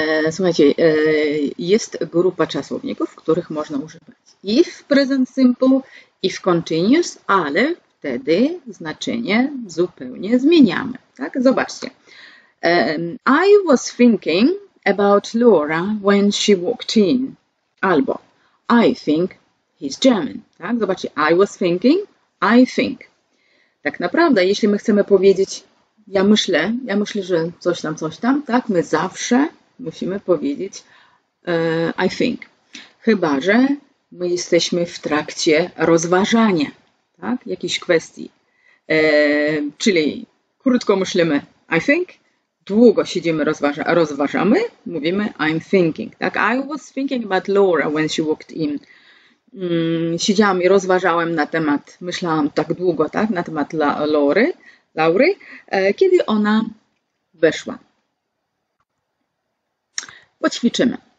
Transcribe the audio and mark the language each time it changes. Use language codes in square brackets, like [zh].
[pl] Słuchajcie, jest grupa czasowników, których można używać i w present simple, i w continuous, ale wtedy znaczenie zupełnie zmieniamy. Tak? Zobaczcie. [en] I was thinking about Laura when she walked in. Albo I think he's German. [pl] Tak? Zobaczcie, [en] I was thinking, I think. [pl] Tak naprawdę, jeśli my chcemy powiedzieć ja myślę, że coś tam, tak? My zawsze musimy powiedzieć [en] I think. [pl] Chyba że my jesteśmy w trakcie rozważania, tak? Jakiejś kwestii. Czyli krótko myślimy [en] I think. [pl] Długo siedzimy, rozważamy, mówimy [en] I'm thinking. [pl] Tak? [en] I was thinking about Laura when she walked in. [pl] Siedziałam i rozważałem na temat, myślałam tak długo, tak, na temat Laury, kiedy ona weszła. Poćwiczymy.